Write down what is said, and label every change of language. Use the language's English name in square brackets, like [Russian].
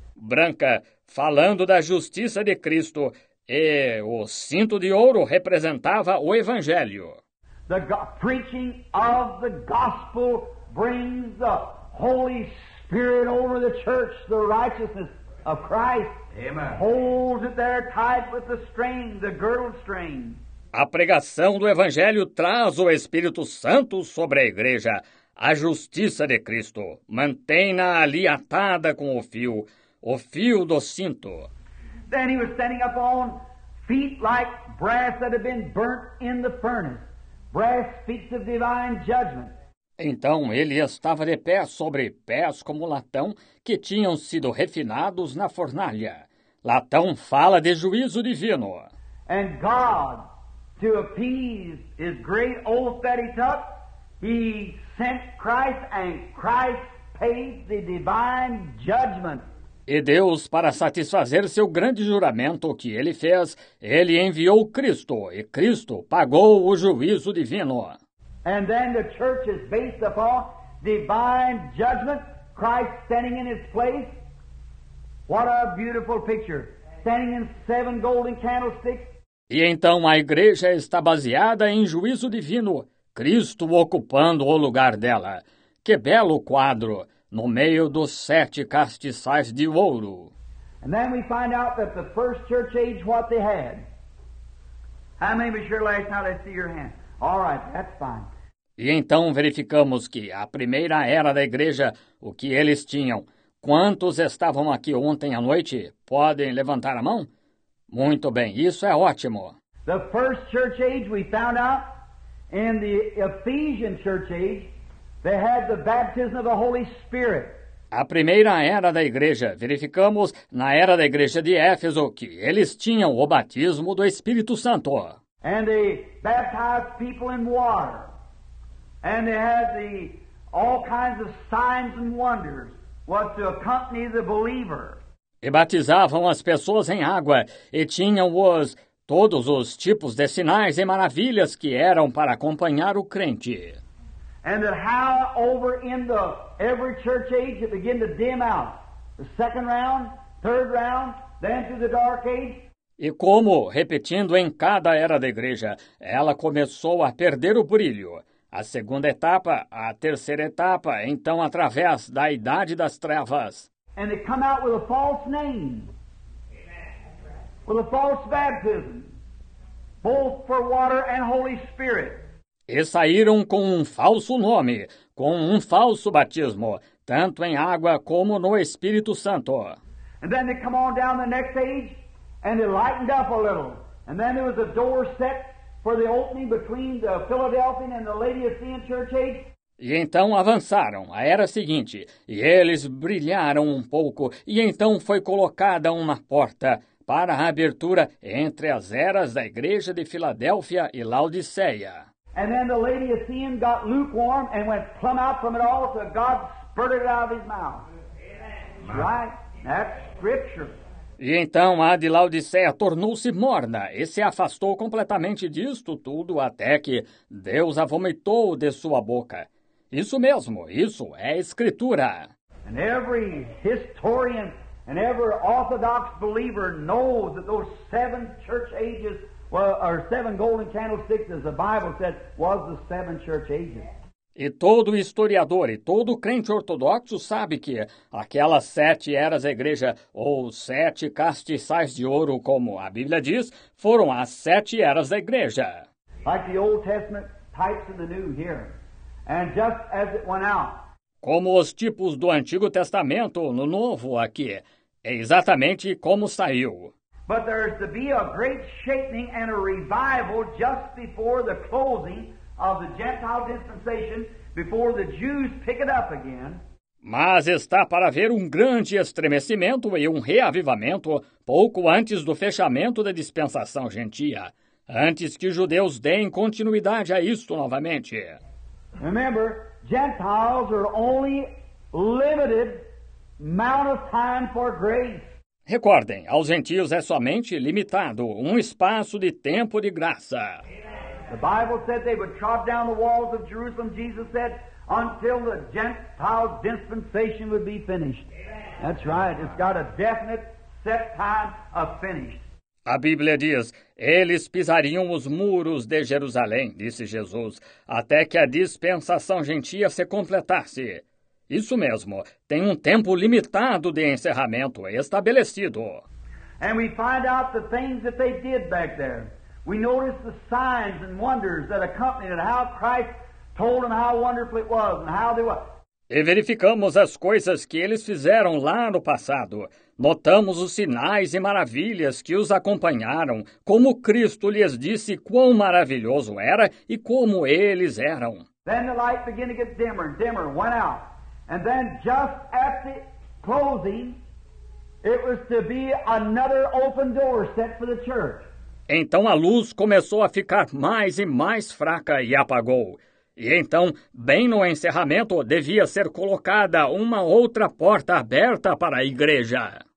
[Portuguese] Branca, falando da justiça de Cristo, e o cinto de ouro representava o evangelho. [English] The preaching of the gospel brings the Holy Spirit over the church, the righteousness of Christ. Amen. Holds it there tied with the string, the girdle string. [Portuguese] A pregação do Evangelho traz o Espírito Santo sobre a igreja, a justiça de Cristo. Mantém-na ali atada com o fio do cinto. [English] Then he was standing up on feet like brass that had been burnt in the furnace. Brass speaks of divine judgment. [Portuguese] Então ele estava de pé sobre pés como latão que tinham sido refinados na fornalha. Latão fala de juízo divino. [English] And God, to appease his great oath that he took, he sent Christ, and Christ paid the divine judgment. [Portuguese] E Deus, para satisfazer seu grande juramento que ele fez, ele enviou Cristo, e Cristo pagou o juízo divino. [English] And then the church is based upon divine judgment, Christ standing in his place. What a beautiful picture, standing in seven golden candlesticks. [Portuguese] E então a igreja está baseada em juízo divino, Cristo ocupando o lugar dela. Que belo quadro, no meio dos sete castiçais de ouro. [English] And then we find out that the first church age, what they had. How many was your last night? I see your hand. All right, that's fine. [Portuguese] E então verificamos que a primeira era da igreja, o que eles tinham. Quantos estavam aqui ontem à noite? Podem levantar a mão? Muito bem, isso é ótimo. [English] The first church age we found out in the Ephesian church age, they had the baptism of the Holy Spirit. [Portuguese] A primeira era da igreja, verificamos na era da igreja de Éfeso que eles tinham o batismo do Espírito Santo. [English] And they baptized people in water. And they had all kinds of signs and wonders. was to accompany the believer. [Portuguese] E batizavam as pessoas em água, e tinham-os todos os tipos de sinais e maravilhas que eram para acompanhar o crente. [English] And that how over in the every church age it began to dim out. The second round, third round, then through the dark age. [Portuguese] E como, repetindo em cada era da igreja, ela começou a perder o brilho. A segunda etapa, a terceira etapa, então através da idade das trevas. [English] And they come out with a false name. With a false baptism. Both for water and Holy Spirit. [Portuguese] E saíram com um falso nome, com um falso batismo, tanto em água como no Espírito Santo. [English] And then they come on down the next age, and it lightened up a little. And then there was a door set for the opening between the Philadelphian and the Laodicean church age. [Portuguese] E então avançaram, a era seguinte, e eles brilharam um pouco, e então foi colocada uma porta para a abertura entre as eras da igreja de Filadélfia e Laodiceia. [English] And then the Laodicean got lukewarm and went plumb out from it all, so God spurted it out of his mouth. Amen. Right? That's scripture. [Portuguese] E então a de Laodiceia tornou-se morna e se afastou completamente disto tudo até que Deus a vomitou de sua boca. Isso mesmo, isso é escritura. [English] And every historian and every orthodox believer knows that those seven church ages or seven golden candlesticks, as the Bible said, was the seven church ages. [Portuguese] E todo historiador e todo crente ortodoxo sabe que aquelas sete eras da igreja, ou sete castiçais de ouro, como a Bíblia diz, foram as sete eras da igreja. [English] Like the Old Testament types of the New here. And just as it went out. [Portuguese] Como os tipos do Antigo Testamento no Novo aqui. Exatamente como saiu. [English] But there is to be a great shaking and a revival just before the closing of the Gentile dispensation, before the Jews pick it up again. [Portuguese] Mas está para haver um grande estremecimento e um reavivamento pouco antes do fechamento da dispensação gentia, antes que os judeus deem continuidade a isto novamente. [English] Remember, Gentiles are only limited amount of time for grace. [Portuguese] Recordem, aos gentios é somente limitado um espaço de tempo de graça. [English] The Bible said they would chop down the walls of Jerusalem, Jesus said, until the Gentile dispensation would be finished. That's right, it's got a definite set time of finish. [Portuguese] A Bíblia diz, eles pisariam os muros de Jerusalém, disse Jesus, até que a dispensação gentia se completasse. Isso mesmo, tem um tempo limitado de encerramento estabelecido. [English] And we find out the things that they did back there. We notice the signs and wonders that accompanied it, how Christ told them how wonderful it was and how they were. [Portuguese] E verificamos as coisas que eles fizeram lá no passado. Notamos os sinais e maravilhas que os acompanharam, como Cristo lhes disse quão maravilhoso era e como eles eram. [English] Then the light began to get dimmer and dimmer, went out. And then just at the closing, it was to be another open door set for the church. [Portuguese] Então a luz começou a ficar mais e mais fraca e apagou. E então, bem no encerramento, devia ser colocada uma outra porta aberta para a igreja.